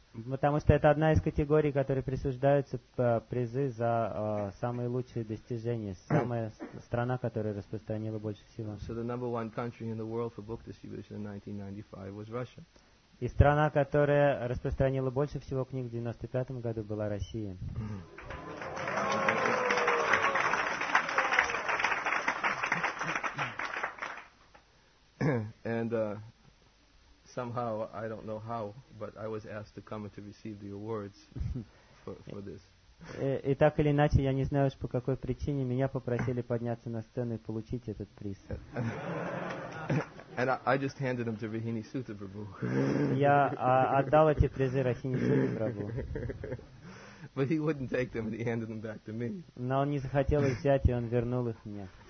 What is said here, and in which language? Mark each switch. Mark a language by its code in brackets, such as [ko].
[ru] Потому что это одна из категорий, которой присуждаются призы за самые лучшие достижения, самая страна, которая распространила больше всего. [en] So the number one country in the world for book distribution in 1995 was Russia. [ru] И страна, которая распространила больше всего книг в 1995 году, была Россия. [en] And somehow, I don't know how, but I was asked to come and to receive the awards for this. [ru] И так или иначе, я не знаю уж по какой причине, меня попросили подняться на сцену и получить этот приз. [en] And I just handed them to Rohini Sutta Prabhu. [ru] Я отдал эти призы Рохини Сутта Прабху. [en] But he wouldn't take them, and he handed them back to me. [ru] Но он не захотел их взять, и он вернул их мне.